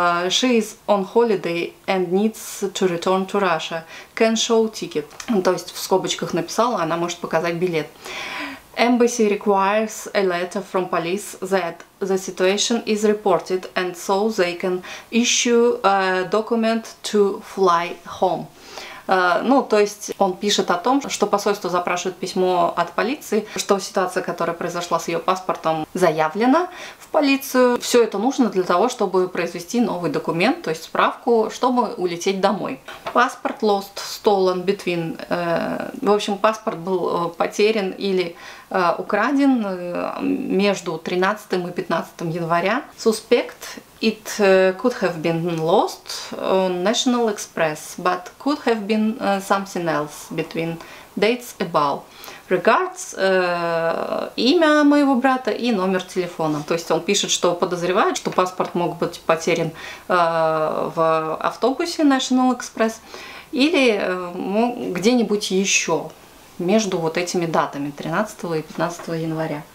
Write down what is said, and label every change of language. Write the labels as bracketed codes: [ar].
[en] She is on holiday and needs to return to Russia. Can show ticket. [ru] То есть в скобочках написала, она может показать билет. [en] Embassy requires a letter from police that the situation is reported and so they can issue a document to fly home. [ru] Ну, то есть он пишет о том, что посольство запрашивает письмо от полиции, что ситуация, которая произошла с ее паспортом, заявлена в полицию. Все это нужно для того, чтобы произвести новый документ, то есть справку, чтобы улететь домой. [en] Паспорт lost, stolen, between. [ru] В общем, паспорт был потерян или украден между 13 и 15 января. [en] Suspect. It could have been lost on National Express, but could have been something else between dates above. Regards, [ru] имя моего брата и номер телефона. То есть он пишет, что подозревает, что паспорт мог быть потерян в автобусе National Express или где-нибудь еще между вот этими датами 13 и 15 января.